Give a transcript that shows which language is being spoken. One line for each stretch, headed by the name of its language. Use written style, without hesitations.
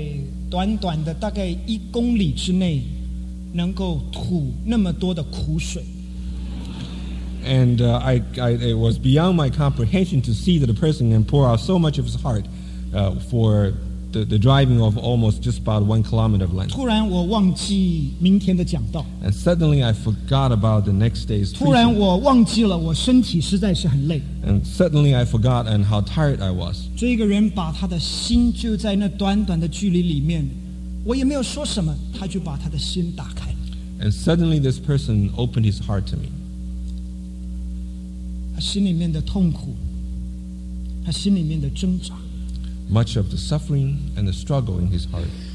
Chinese: 我没有想到一个人能够在短短的大概一公里之内 能够吐那么多的苦水。
English: And it was beyond my comprehension to see that a person can pour out so much of his heart for the driving of almost just about 1 kilometer of length.
Chinese: 突然我忘记明天的讲道。
English: And suddenly I forgot about the next day's preaching.
Chinese: 突然我忘记了我身体实在是很累。
English: And suddenly I forgot and how tired I was.
Chinese: 这一个人把他的心就在那短短的距离里面 我也没有说什么，他就把他的心打开。And
English: suddenly this person opened his heart to me.
Chinese: 他心里面的痛苦，他心里面的挣扎。
English: Much of the suffering and the struggle in his heart.